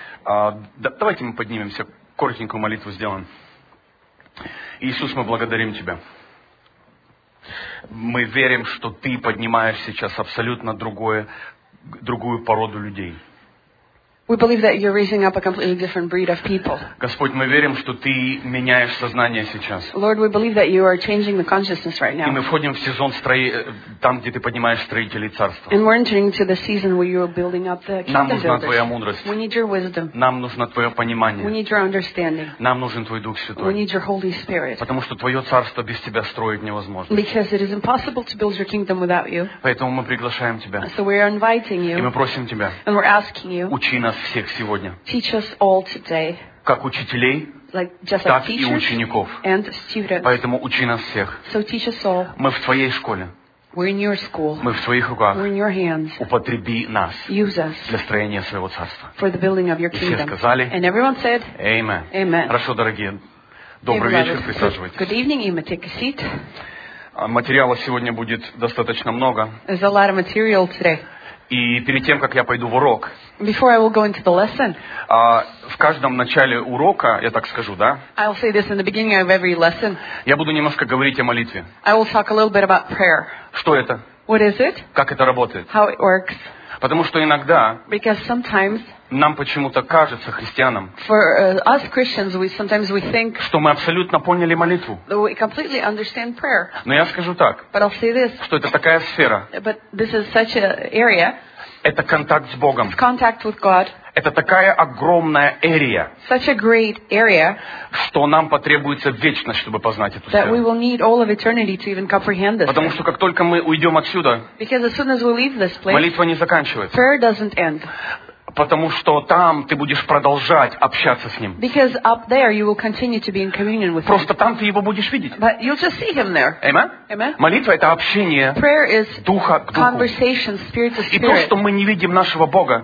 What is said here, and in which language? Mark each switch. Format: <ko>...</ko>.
<ru>Давайте мы поднимемся, коротенькую молитву сделаем. Иисус, мы благодарим Тебя. Мы верим, что Ты поднимаешь сейчас абсолютно другую породу людей.</ru> <en>We believe that you're raising up a completely different breed of people.</en> <ru>Господь, мы верим, что Ты меняешь сознание сейчас.</ru> <en>Lord, we believe that you are changing the consciousness right now.</en> <ru>И мы входим в сезон там, где Ты поднимаешь строителей царства.</ru> <en>And we're entering into the season where you are building up the kingdom builders.</en> <ru>Нам нужна Твоя мудрость.</ru> <en>We need your wisdom.</en> <ru>Нам нужно Твое понимание.</ru> <en>We need your understanding.</en> <ru>Нам нужен Твой Дух Святой.</ru> <en>We need your Holy Spirit.</en> <ru>Потому что Твое царство без Тебя строить невозможно.</ru> <en>Because it is impossible to build your kingdom without you.</en> <ru>Поэтому мы приглашаем Тебя.</ru> <en>So we are inviting you.</en> <ru>И мы просим Тебя.</ru> <en>And we're asking you.</en> <ru>Учи нас всех сегодня.</ru> <en>Teach us all today.</en> <ru>Как учителей, так и учеников.</ru> <en>And students.</en> <ru>Поэтому учи нас всех.</ru> <en>So teach us all.</en> <ru>Мы в Твоей школе.</ru> <en>We're in your school.</en> <ru>Мы в Твоих руках.</ru> <en>We're in your hands.</en> <ru>Употреби нас.</ru> <en>Use us.</en> <ru>Для строения своего царства.</ru> <en>For the building of your kingdom.</en> <ru>И все сказали.</ru> <en>And everyone said. Amen. Amen.</en> <ru>Хорошо, дорогие. Добрый вечер. Присаживайтесь.</ru> <en>Good evening. You may take a seat.</en> <ru>Материала сегодня будет достаточно много.</ru> <en>There's a lot of material today.</en> <ru>И перед тем, как я пойду в урок,</ru> <en>Before I will go into the lesson,</en> <ru>в каждом начале урока, я так скажу, да?</ru> <en>I'll say this in the beginning of every lesson,</en> <ru>я буду немножко говорить о молитве.</ru> <en>I will talk a little bit about prayer.</en> <ru>Что это?</ru> <en>What is it?</en> <ru>Как это работает?</ru> <en>How it works.</en> <ru>Потому что иногда</ru> <en>Because sometimes,</en> <ru>нам почему-то кажется, христианам,</ru> <en>for, us Christians, we, sometimes we think,</en> <ru>что мы абсолютно поняли молитву.</ru> <en>That we completely understand prayer.</en> <ru>Но я скажу так,</ru> <en>But I'll say this,</en> <ru>что это такая сфера,</ru> <en>But this is such an area,</en> <ru>это контакт с Богом.</ru> <en>It's contact with God.</en> <ru>Это такая огромная area,</ru> <en>Such a great area,</en> <ru>что нам потребуется вечность, чтобы познать эту</ru> <en>that</en> <ru>сферу.</ru> <en>We will need all of eternity to even comprehend this.</en> <ru>Потому что как только мы уйдем отсюда,</ru> <en>Because as soon as we leave this place,</en> <ru>молитва не заканчивается.</ru> <en>Prayer doesn't end.</en> <ru>Потому что там ты будешь продолжать общаться с Ним.</ru> <en>Because up there you will continue to be in communion with</en> <ru>Просто</ru> <en>Him.</en> <ru>Просто там ты Его будешь видеть.</ru> <en>But you'll just see Him there. Amen? Amen?</en> <ru>Молитва — это общение</ru> <en>Prayer is</en> <ru>Духа к Духу.</ru> <en>Conversation, spirit to spirit.</en> <ru>И то, что мы не видим нашего Бога,</ru>